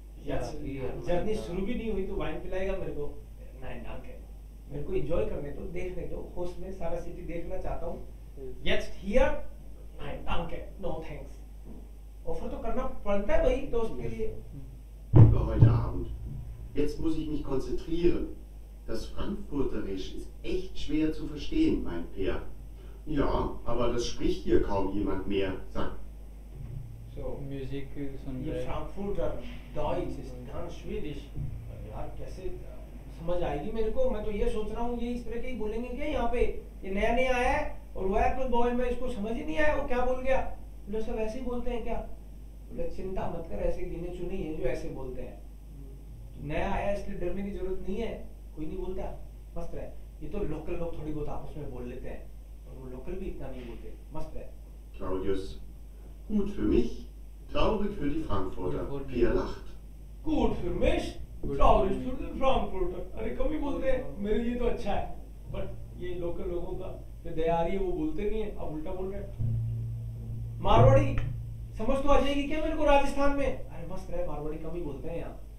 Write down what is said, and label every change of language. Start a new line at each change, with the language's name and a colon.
Hindi: Journey शुरू भी नहीं हुई तो वाइन पिलाएगा मेरे को, ना ना के मेरे को एंजॉय करने तो देखने तो होस्ट में सारा सिटी देखना चाहता हूं
English: yes here I am
Hindi: के नो थैंक्स ऑफर तो करना पड़ता है भाई दोस्त के लिए
German: heute Abend. Jetzt muss ich mich konzentrieren. Das Frankfurterisch ist echt schwer zu verstehen, meint Peer. Ja, aber das spricht hier kaum jemand mehr, sagt. So, Musik ist ein Ihr Frankfurter Deutsch ist ganz schwierig. Ja,
Hindi: kaise samajh aayegi mere ko? Main to ye soch raha hu ye is tarah ke hi bolenge kya yahan pe? Ye naya naya aaya hai aur woh apple boy mein isko samajh hi nahi aaya wo kya bol gaya? Wo sab aise hi bolte hain kya? चिंता मत कर ऐसे गिने चुने हैं जो ऐसे बोलते हैं नया आया इसलिए डरने की जरूरत नहीं है कोई नहीं बोलता मस्त है ये तो लोकल लोग थोड़ी बहुत आपस में बोल लेते हैं और वो लोकल भी इतना नहीं बोलते मस्त है
German: Claudius gut für mich traurig für die Frankfurter Pia lacht gut für mich traurig für die Frankfurter
Hindi: अरे कम ही बोलते हैं मेरे लिए तो अच्छा है बट ये लोकल लोगों का जो दया आ रही है वो बोलते नहीं है अब उल्टा बोल रहे हैं मारवाड़ी समझ तो आ जाएगी क्या मेरे को राजस्थान में अरे मस्त रहे मारवाड़ी कम ही बोलते हैं यहाँ